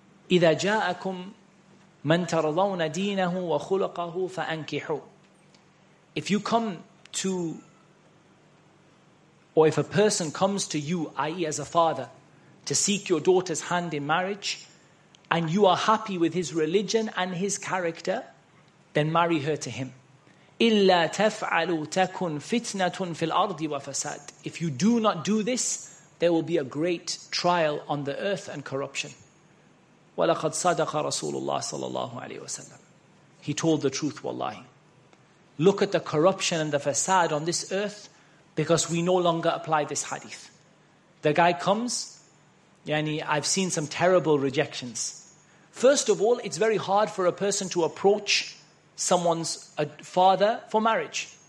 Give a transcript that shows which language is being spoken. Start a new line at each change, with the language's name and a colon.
Arabic: إِذَا جَاءَكُمْ مَنْ تَرَضَوْنَ دِينَهُ وَخُلُقَهُ فَأَنْكِحُوا.
English: If you come to, or if a person comes to you, i.e. as a father, to seek your daughter's hand in marriage, and you are happy with his religion and his character, then marry her to him.
Arabic: إِلَّا تَفْعَلُوا تَكُنْ فِتْنَةٌ فِي الْأَرْضِ وَفَسَادٍ.
English: If you do not do this, there will be a great trial on the earth and corruption.
Arabic: وَلَقَدْ صَدَقَ رَسُولُ اللَّهِ صَلَى اللَّهُ عَلَيْهِ وَسَلَّمُ
English: He told the truth, wallahi. Look at the corruption and the facade on this earth because we no longer apply this hadith. The guy comes, yani I've seen some terrible rejections. First of all, it's very hard for a person to approach someone's father for marriage.